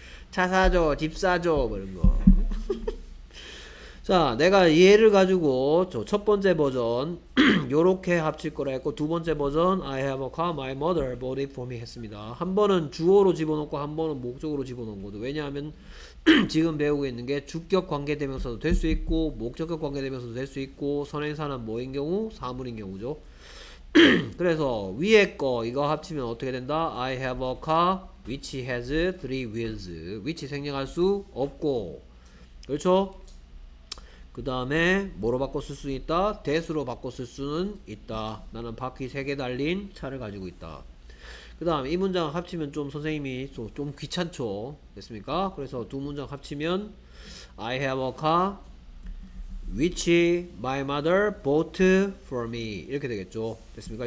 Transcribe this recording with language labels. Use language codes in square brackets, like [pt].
[ko] 차 사줘, 집 사줘, 그런 거. 자, 내가 얘를 가지고 저첫 번째 버전 요렇게 합칠 거라 했고, 두 번째 버전 [en] I have a car, my mother bought it for me [ko] 했습니다. 한 번은 주어로 집어넣고 한 번은 목적으로 집어넣은 거죠. 왜냐하면 지금 배우고 있는 게 주격 관계대명사도 될수 있고 목적격 관계대명사도 될수 있고 선행사는 뭐인 경우? 사물인 경우죠. 그래서 위에 거 이거 합치면 어떻게 된다? [en] I have a car which has three wheels. [ko] which 생략할 수 없고. 그렇죠? 그 다음에 뭐로 바꿔 쓸수 있다? 대수로 바꿔 쓸 수는 있다. 나는 바퀴 3개 달린 차를 가지고 있다. 그 다음 이 문장 합치면 좀 선생님이 좀 귀찮죠? 됐습니까? 그래서 두 문장 합치면 [en] I have a car which my mother bought for me [ko] 이렇게 되겠죠? 됐습니까?